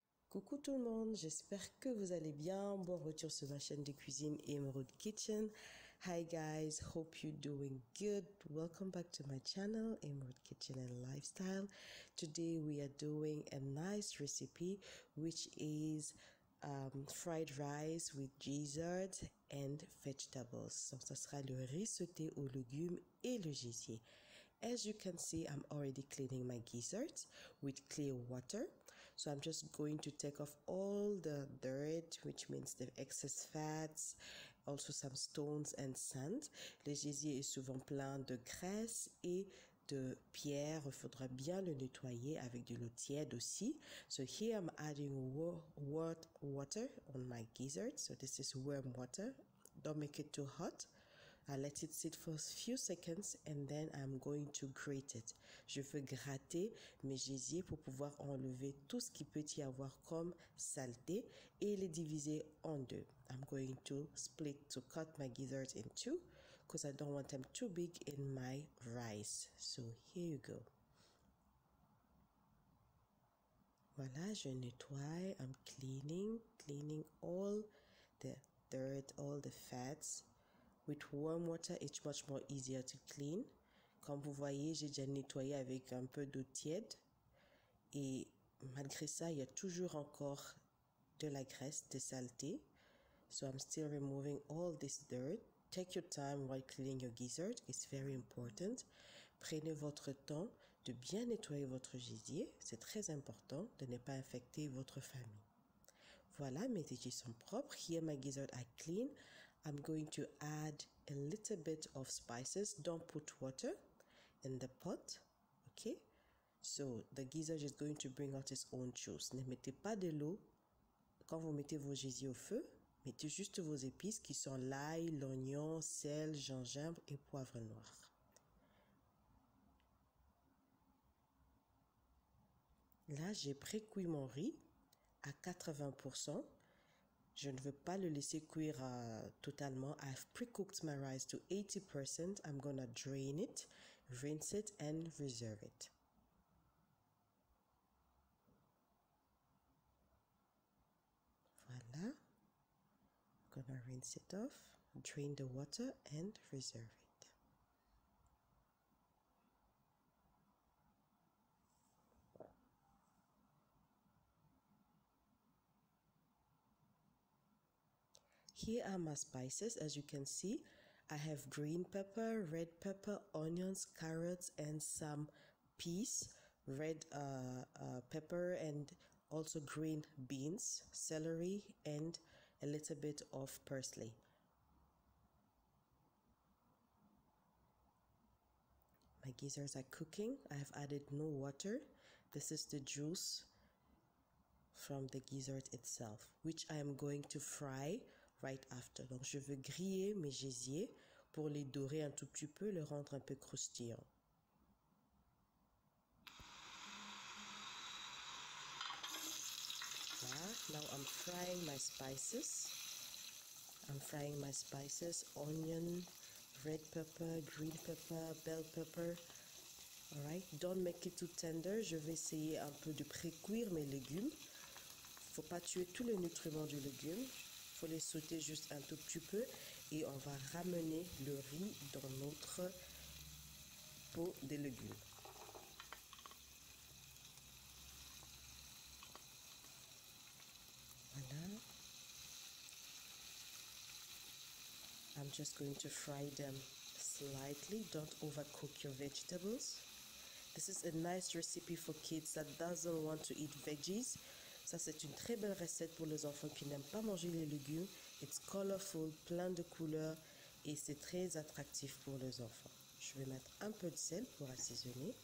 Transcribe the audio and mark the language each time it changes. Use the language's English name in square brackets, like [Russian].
[French] Coucou tout le monde, j'espère que vous allez bien. Bon retour sur ma chaîne de cuisine Emerald Kitchen. [English] Hi guys, hope you're doing good. Welcome back to my channel Emerald Kitchen and Lifestyle. Today we are doing a nice recipe which is fried rice with gizzards and vegetables. [French] So, ça sera le riz sauté aux légumes et le gésier. [English] As you can see, I'm already cleaning my gizzards with clear water. So I'm just going to take off all the dirt, which means the excess fats, also some stones and sand. [French] Le gésier est souvent plein de graisse et de pierre. Il faudra bien le nettoyer avec de l'eau tiède aussi. [English] So here I'm adding water on my gizzard. So this is warm water. Don't make it too hot. I let it sit for a few seconds and then I'm going to grate it. [French] Je veux gratter mes gésiers pour pouvoir enlever tout ce qui peut y avoir comme saleté et les diviser en deux. [English] I'm going to split to cut my gizzards in two because I don't want them too big in my rice. So here you go. [French] Voilà, je nettoie. [English] I'm cleaning all the dirt, all the fats. With warm water, it's much more easier to clean. [French] Comme vous voyez, j'ai déjà nettoyé avec un peu d'eau tiède. Et malgré ça, il y a toujours encore de la graisse, de saleté. [English] So I'm still removing all this dirt. Take your time while cleaning your gizzard. It's very important. [French] Prenez votre temps de bien nettoyer votre gésier. C'est très important de ne pas infecter votre famille. Voilà, mes gizzards sont propres. [English] Here, my gizzard I clean. I'm going to add a little bit of spices. Don't put water in the pot, okay? So the gizzard is going to bring out its own juice. [French] Ne mettez pas de l'eau quand vous mettez vos gésiers au feu. Mettez juste vos épices qui sont l'ail, l'oignon, sel, gingembre et poivre noir. Là, j'ai pré-cuit mon riz à 80%. Je ne veux pas le laisser cuire totalement. [English] I've pre-cooked my rice to 80%. I'm gonna drain it, rinse it, and reserve it. Voilà. I'm gonna rinse it off, drain the water, and reserve it. Here are my spices. As you can see, I have green pepper, red pepper, onions, carrots, and some peas, red pepper, and also green beans, celery, and a little bit of parsley. My gizzards are cooking. I have added no water. This is the juice from the gizzard itself, which I am going to fry right after. [French] Donc je veux griller mes gésiers pour les dorer un tout petit peu, les rendre un peu croustillants. [English] Voilà. Now I'm frying my spices. I'm frying my spices, onion, red pepper, green pepper, bell pepper. Alright, don't make it too tender. [French] Je vais essayer un peu de pré-cuire mes légumes. Faut pas tuer tous les nutriments du légume. Faut les sauter juste un tout petit peu et on va ramener le riz dans notre pot des légumes. Voilà. [English] I'm just going to fry them slightly. Don't overcook your vegetables. This is a nice recipe for kids that doesn't want to eat veggies. [French] Ça, c'est une très belle recette pour les enfants qui n'aiment pas manger les légumes. [English] It's colorful, [French] plein de couleurs et c'est très attractif pour les enfants. Je vais mettre un peu de sel pour assaisonner.